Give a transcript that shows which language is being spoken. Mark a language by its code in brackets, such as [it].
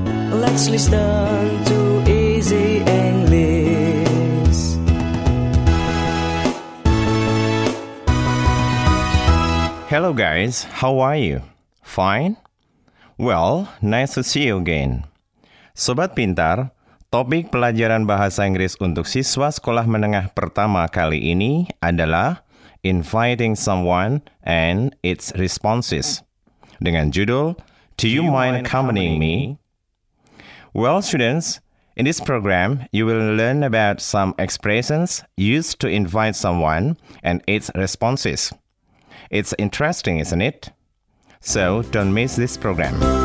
[en] Let's listen to easy English. Hello guys, how are you? Fine? Well, nice to see you again. [id] Sobat Pintar, topik pelajaran bahasa Inggris untuk siswa sekolah menengah pertama kali ini adalah Inviting Someone and Its Responses. Dengan judul, [en] Do you mind accompanying me? Well, students, in this program, you will learn about some expressions used to invite someone and its responses. It's interesting, isn't it? So, don't miss this program.